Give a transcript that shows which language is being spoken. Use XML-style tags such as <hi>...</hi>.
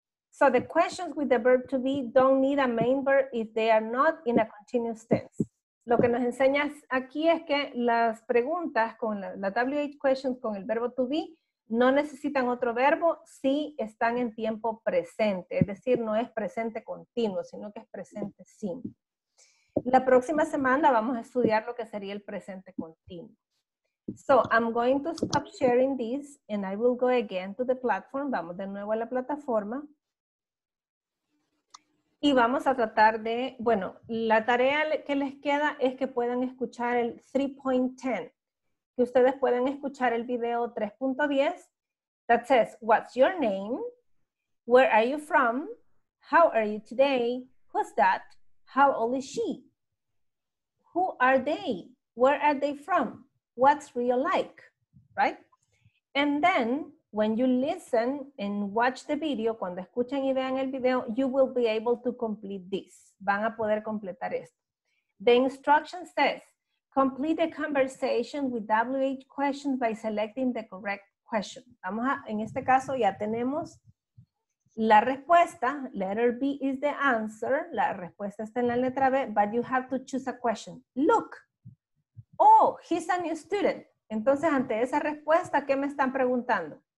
<en>So the questions with the verb to be don't need a main verb if they are not in a continuous tense.</en> <es>Lo que nos enseñas aquí es que las preguntas con la WH questions con el verbo to be no necesitan otro verbo si están en tiempo presente. Es decir, no es presente continuo, sino que es presente simple. La próxima semana vamos a estudiar lo que sería el presente continuo.</es> <en>So, I'm going to stop sharing this and I will go again to the platform.</en> <es>Vamos de nuevo a la plataforma. Y vamos a tratar de, bueno, la tarea que les queda es que puedan escuchar el 3.10. Que ustedes pueden escuchar el video 3.10</es> <en>that says, what's your name? Where are you from? How are you today? Who's that? How old is she? Who are they? Where are they from? What's real like? Right? And then, when you listen and watch the video,</en> <es>cuando escuchen y vean el video,</es> <en>you will be able to complete this.</en> <es>Van a poder completar esto.</es> <en>The instruction says, complete the conversation with WH questions by selecting the correct question.</en> <es>Vamos a, en este caso ya tenemos la respuesta.</es> <en>Letter B is the answer.</en> <es>La respuesta está en la letra B,</es> <en>but you have to choose a question. Look. Oh, he's a new student.</en> <es>Entonces, ante esa respuesta, ¿qué me están preguntando?</es>